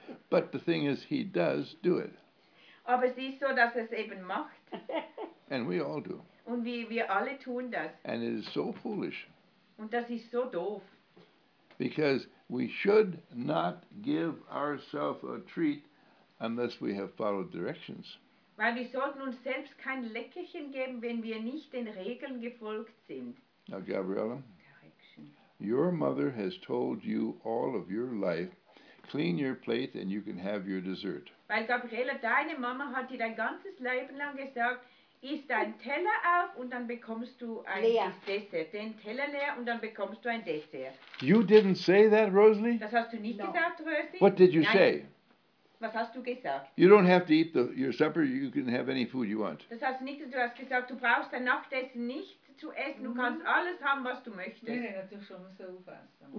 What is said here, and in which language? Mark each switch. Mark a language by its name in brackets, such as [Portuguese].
[English] But the thing is, he does do it. [German] Aber es ist so, dass es eben macht. [English] And we all do. [German] Und wir alle tun das. [English] And it is so foolish. [German] Und das ist so doof. [English] Because we should not give ourselves a treat unless we have followed directions. [German] Weil wir sollten uns selbst kein Leckerchen geben, wenn wir nicht den Regeln gefolgt sind. [English] Now, Gabriella, your mother has told you all of your life, clean your plate and you can have your dessert. [German] Weil Gabriella, deine Mama hat dir dein ganzes Leben lang gesagt, iss dein Teller auf und dann bekommst du ein Dessert. Den Teller leer und dann bekommst du ein Dessert. [English] You didn't say that, Rosalie? [German] Das hast du nicht gesagt, Rosalie? [English] What did you say? [German] Was hast du gesagt? [English] You don't have to eat your supper, you can have any food you want. [German] Das hast du nicht, du hast gesagt, du brauchst dein Nachtessen nicht zu essen, du kannst alles haben, was du möchtest. Nee, natürlich schon so fast.